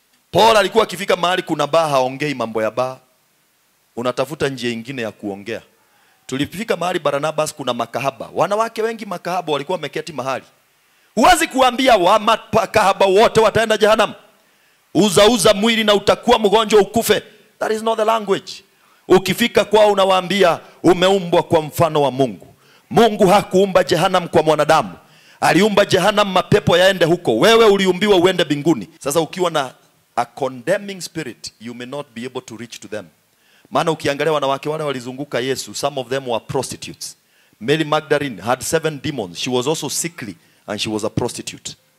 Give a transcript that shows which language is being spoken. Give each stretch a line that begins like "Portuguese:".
Swahili: Paul alikuwa akifika mahali kuna ba, haongei mambo ya ba. Unatafuta njia ingine ya kuongea. Tulifika mahali Barnabas, kuna makahaba. Wanawake wengi makahaba walikuwa meketi mahali. Huwezi kuambia wa makahaba wote wataenda jehanamu. Uza mwili na utakuwa mgonjwa ukufe.
English: That is not the language.
Swahili: Ukifika kwa unawaambia umeumbwa kwa mfano wa Mungu. Mungu hakuumba jehanamu kwa mwanadamu. Aliumba jehanamu mapepo yaende huko. Wewe uliumbiwa uende binguni. Sasa ukiwa na
English: a condemning spirit, you may not be able to reach to them.
Swahili: Maana ukiangalia wanawake wale walizunguka Yesu,
English: some of them were prostitutes. Mary Magdalene had 7 demons. She was also sickly and she was a prostitute.